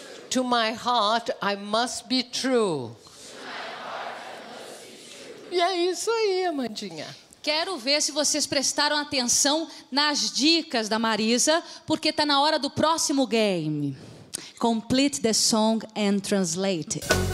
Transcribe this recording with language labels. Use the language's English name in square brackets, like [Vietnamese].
[English] To my heart, I must be true. [Portuguese] E é isso aí, Amandinha. Quero ver se vocês prestaram atenção nas dicas da Marisa, porque tá na hora do próximo game. [English] Complete the song and translate it.